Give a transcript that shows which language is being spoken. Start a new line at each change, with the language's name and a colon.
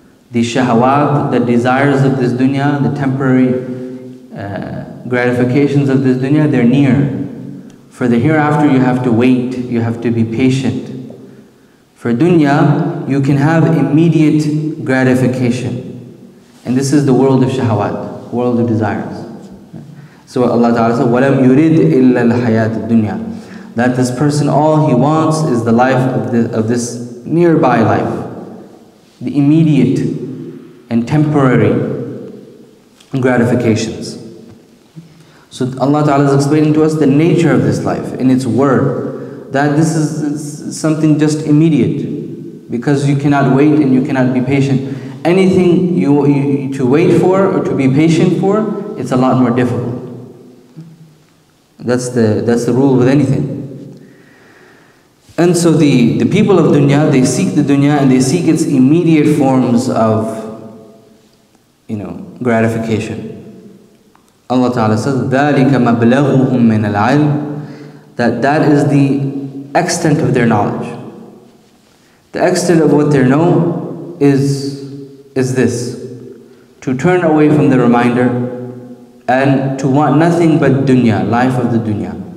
English: The shahawat, the desires of this dunya, the temporary gratifications of this dunya, they're near. For the hereafter, you have to wait. You have to be patient. For dunya, you can have immediate gratification. And this is the world of shahawat, world of desires. So Allah Ta'ala said,
Arabic: وَلَمْ يُرِدْ إِلَّا الْحَيَاةِ الدُّنْيَا.
English: That this person, all he wants is the life of this nearby life. The immediate and temporary gratifications. So Allah Ta'ala is explaining to us the nature of this life in its word. That this is something just immediate, because you cannot wait and you cannot be patient. Anything you to wait for or to be patient for, it's a lot more difficult. That's the rule with anything. And so the people of dunya, they seek the dunya and they seek its immediate forms of, you know, gratification. Allah Ta'ala says,
Arabic: ذَلِكَ مَبْلَغُهُمْ مِنَ الْعَلْمِ.
English: That is the extent of their knowledge. The extent of what they know is this: to turn away from the reminder and to want nothing but dunya, life of the dunya.